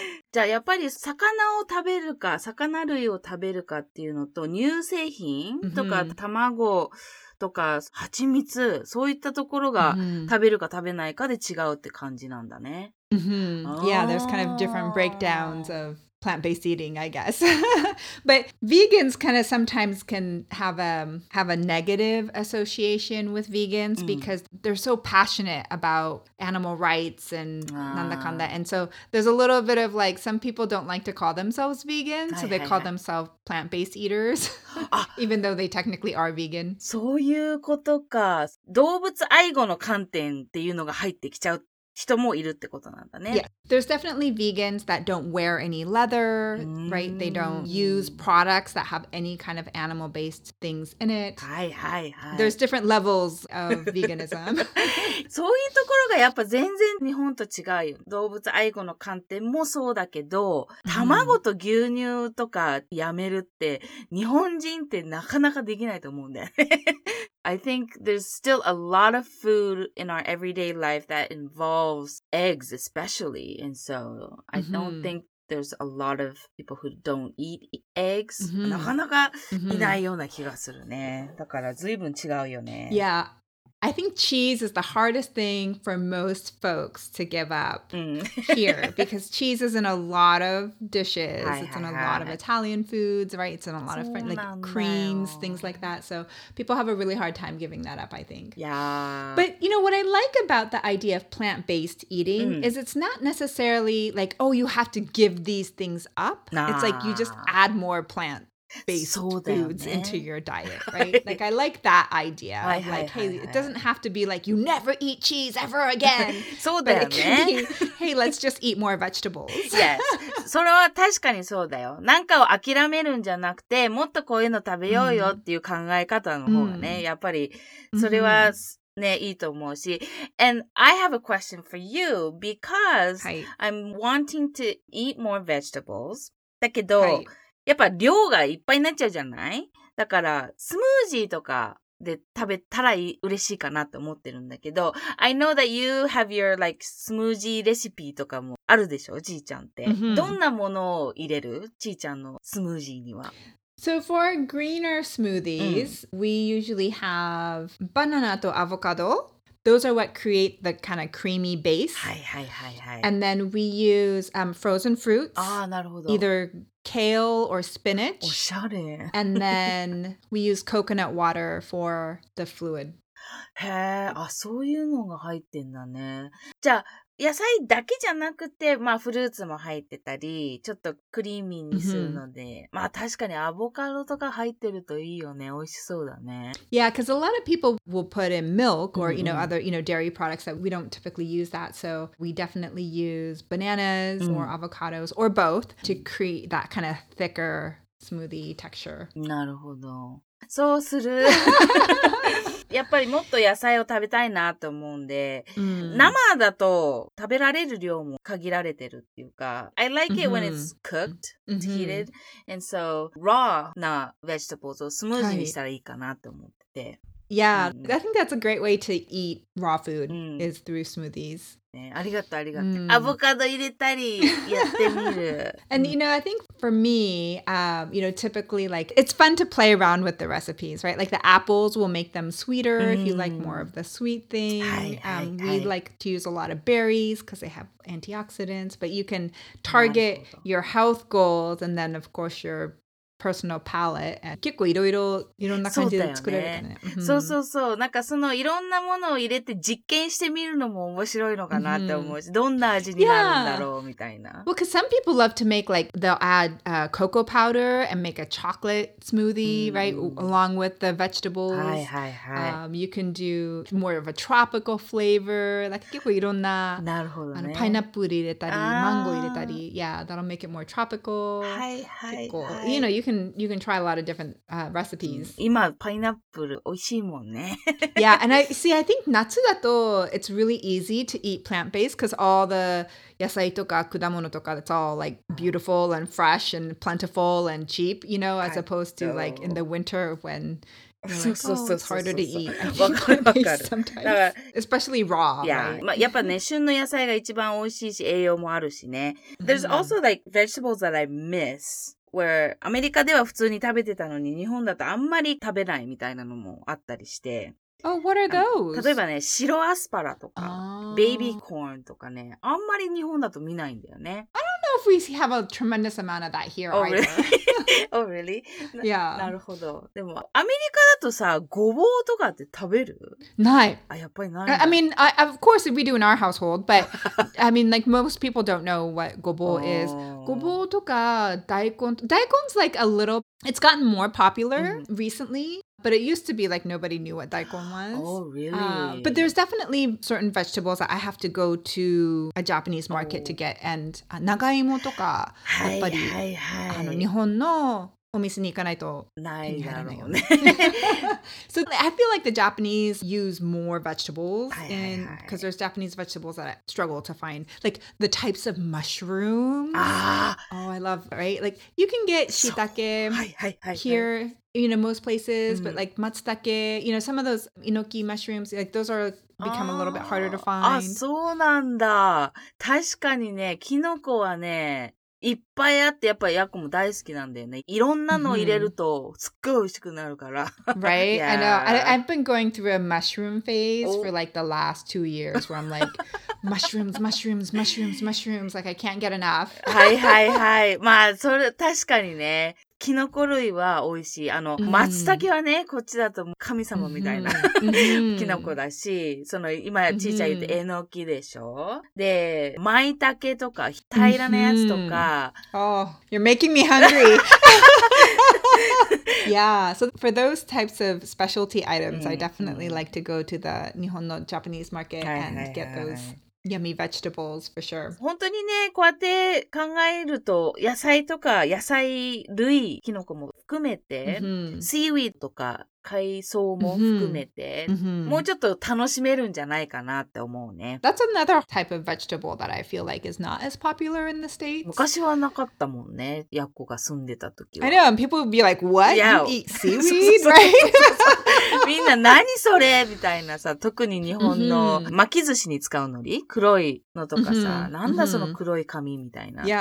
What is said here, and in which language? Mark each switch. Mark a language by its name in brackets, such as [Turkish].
[Japanese] じゃあやっぱり魚を食べるか、魚類を食べるかっていうのと、乳製品とか卵とか蜂蜜、そういったところが食べるか食べないかで違うって感じなんだね。 [English] Yeah, there's kind of different breakdowns of plant-based eating, I guess. But vegans kind of sometimes can have a negative association with vegans because they're so passionate about animal rights and nanda kanda. And so there's a little bit of like, some people don't like to call themselves vegan, so they call themselves plant-based eaters, even though they technically are vegan. [Japanese] そういうことか。動物愛護の観点っていうのが入ってきちゃう。人もいるってことなんだね。 [English] Yeah. There's definitely vegans that don't wear any leather, right? They don't use products that have any kind of animal-based things in it. [Japanese] はいはいはい。 [English] There's different levels of veganism. [Japanese] そういうところがやっぱ全然日本と違うよ。動物愛護の観点もそうだけど、卵と牛乳とかやめるって日本人ってなかなかできないと思うんだよね。 [English] I think there's still a lot of food in our everyday life that involves eggs especially. And so I don't think there's a lot of people who don't eat eggs. [Japanese] なかなかいないような気がするね。だから随分違うよね。 [English] Yeah, I think cheese is the hardest thing for most folks to give up here. Because cheese is in a lot of dishes. It's in a lot of Italian foods, right? It's in a lot of French, like creams, things like that. So people have a really hard time giving that up, I think. Yeah. But, you know, what I like about the idea of plant-based eating is it's not necessarily like, oh, you have to give these things up. Nah. It's like you just add more plants. Based foods into your diet, right? Like, I like that idea. Like, hey, it doesn't have to be like, you never eat cheese ever again. [Japanese] そうだよね。 [English] But it can be, hey, let's just eat more vegetables. Yes. [Japanese] それは確かにそうだよ。なんかを諦めるんじゃなくて、もっとこういうの食べようよっていう考え方の方がね、やっぱりそれはね、いいと思うし。 [English] And I have a question for you because I'm wanting to eat more vegetables. [Japanese] だけど、やっぱ量がいっぱいになっちゃうじゃない？だからスムージーとかで食べたら嬉しいかなと思ってるんだけど、 [English] I know that you have your like [Japanese] スムージーレシピとかもあるでしょ、じいちゃんって。Mm-hmm. どんなものを入れる？じいちゃんのスムージーには。 [English] So for greener smoothies, we usually have banana [Japanese] とアボカド。 [English] Those are what create the kind of creamy base. [Japanese] はいはいはいはい。 [English] And then we use frozen fruits. [Japanese] ああ、なるほど。 [English] Either kale or spinach. [Japanese] おしゃれ。 [English] And then we use coconut water for the fluid. [Japanese] へえ、あ、そういうのが入ってんだね。じゃあ、野菜だけじゃなくて、まあフルーツも入ってたり、ちょっとクリーミーにするので、まあ確かにアボカドとか入ってるといいよね。美味しそうだね。 [English] Yeah, because a lot of people will put in milk or, you know, other, you know, dairy products that we don't typically use that. So we definitely use bananas or avocados or both to create that kind of thicker smoothie texture. [Japanese] なるほど。そうする。やっぱりもっと野菜を食べたいなと思うんで、生だと食べられる量も限られてるっていうか、 [English] I like it when it's cooked, heated, and so raw [Japanese] な [English] vegetables [Japanese] をスムージーにしたらいいかなと思ってて。 [English] Yeah, I think that's a great way to eat raw food is through smoothies. [Japanese] ね、ありがとう、ありがとう。アボカド入れたりやってみる。 [English] And you know, I think for me, you know, typically like, it's fun to play around with the recipes, right? Like the apples will make them sweeter if you like more of the sweet thing. We like to use a lot of berries because they have antioxidants, but you can target your health goals and then of course your personal palette. [Japanese] 結構いろいろ、いろんな感じで作れるからね。そうそうそう。なんかそのいろんなものを入れて実験してみるのも面白いのかなって思うし、どんな味になるんだろうみたいな。 [English] Well, because some people love to make like, they'll add cocoa powder and make a chocolate smoothie, right? Along with the vegetables. [Japanese] はいはいはい。 [English] You can do more of a tropical flavor. Like, [Japanese] 結構いろんな。なるほどね。パイナップル入れたり、マンゴー入れたり。 [English] Yeah, that'll make it more tropical. [Japanese] はいはい。結構、 [English] you know, You can try a lot of different recipes. [Japanese] 今パイナップル美味しいもんね。 [English] Yeah, and I see. I think [Japanese] 夏だと [English] it's really easy to eat plant based because all the [Japanese] 野菜とか果物とか [English] it's all like beautiful and fresh and plentiful and cheap. You know, as opposed to like in the winter when [Japanese] そうそうそうそう。 [English] It's harder to eat. [Japanese] わかるわかる。 [English] Sometimes. Especially raw. Yeah. [Japanese] まあ、やっぱね、旬の野菜が一番美味しいし、栄養もあるしね。 [English] There's also like vegetables that I miss. [Japanese] Where, アメリカでは普通に食べてたのに日本だとあんまり食べないみたいなのもあったりして。 [English] Oh, what are those? [Japanese] 例えばね、白アスパラとか、ベイビーコーンとかね、あんまり日本だと見ないんだよね。 [English] I don't know if we have a tremendous amount of that here either. Oh, really? Oh, really? Yeah. [Japanese] なるほど。でも、アメリカだとさ、ごぼうとかって食べる？ない。あ、やっぱりない。 [English] I mean, of course we do in our household, but I mean, like most people don't know what ごぼう is. [Japanese] ごぼうとか大根's [English] like a little, it's gotten more popular recently. But it used to be like nobody knew what daikon was. Oh, really? But there's definitely certain vegetables that I have to go to a Japanese market to get. And [Japanese] nagaimo とかやっぱり日本のお店に行かないと手に入らないよね。 [English] So I feel like the Japanese use more vegetables. Because there's Japanese vegetables that I struggle to find. Like the types of mushrooms. Oh, I love, right? Like you can get shiitake here. You know, most places, but like matsutake, you know, some of those enoki mushrooms, like those are become a little bit harder to find. Ah, so [Japanese] なんだ。確かにね、キノコはね、いっぱいあって、やっぱりヤコも大好きなんだよね。いろんなの入れると、すっごい美味しくなるから。 [English] Right? Yeah. I know. I've been going through a mushroom phase for like the last 2 years where I'm like, mushrooms, mushrooms, mushrooms, mushrooms, like I can't get enough. [Japanese] はいはいはい。まあ、それ確かにね。キノコ類は美味しい。あの、松茸はね、こっちだと神様みたいなキノコだし、その、今、ちいちゃん言って、えのきでしょ？で、舞茸とか、平らなやつとか。 [English] Oh, you're making me hungry! Yeah, so for those types of specialty items, I definitely like to go to the [Japanese] 日本の [English] Japanese market and get those. Yummy vegetables, for sure. [Japanese] 本当にね、こうやって考えると、野菜とか野菜類、キノコも含めて、シーウィードとか海藻も含めて、もうちょっと楽しめるんじゃないかなって思うね。 [English] That's another type of vegetable that I feel like is not as popular in the States. [Japanese] 昔はなかったもんね、ヤッコが住んでた時は。 [English] I know, people would be like, what? You eat seaweed, right? [Japanese] みんな何それみたいなさ、特に日本の巻き寿司に使う海苔、黒いのとかさ、なんだその黒い紙みたいな。